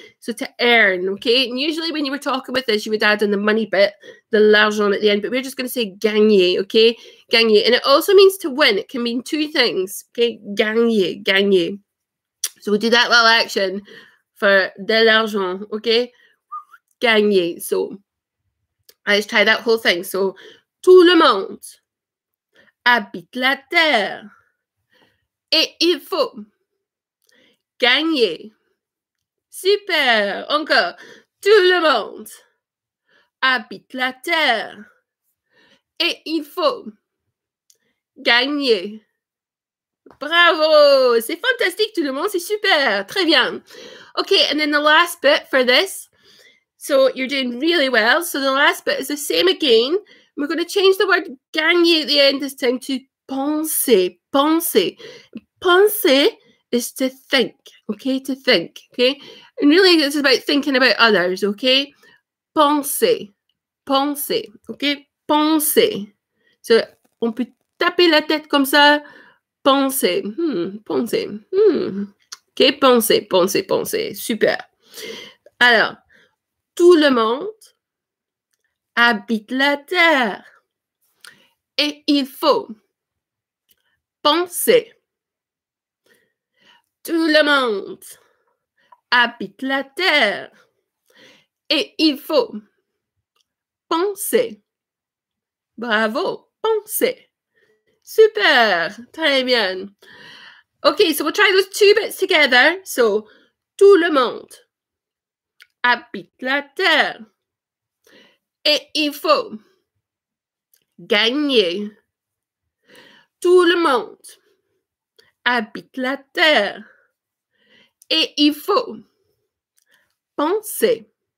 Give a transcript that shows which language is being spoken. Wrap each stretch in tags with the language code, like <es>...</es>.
<en>So to earn, okay? And usually when you were talking with this, you would add in the money bit, the l'argent at the end, but we're just going to say gagner, okay? Gagner. And it also means to win. It can mean two things, okay?</en> <fr>Gagner, gagner.</fr> <en>So we'll do that little action for</en> <fr>de l'argent,</fr> <en>okay? Gagner. So let's try that whole thing.</en> <fr>So, tout le monde habite la terre et il faut gagner. Super! Encore. Tout le monde habite la terre et il faut gagner. Bravo! C'est fantastique, tout le monde. C'est super. Très bien.</fr> <en>Okay, and then the last bit for this. So you're doing really well. So the last bit is the same again. We're going to change the word gagner at the end this time to penser, penser. Penser is to think, okay? To think, okay? And really, this is about thinking about others, okay?</en> <fr>Penser, penser, okay? Penser. So on peut taper la tête comme ça. Penser, penser, Okay, penser, penser, penser. Super. Alors, tout le monde habite la terre et il faut penser. Tout le monde habite la terre et il faut penser. Bravo, penser. Super, très bien.</fr> <en>Okay, so we'll try those two bits together.</en> <fr>So, tout le monde habite la terre et il faut gagner. Tout le monde habite la terre et il faut penser.</fr>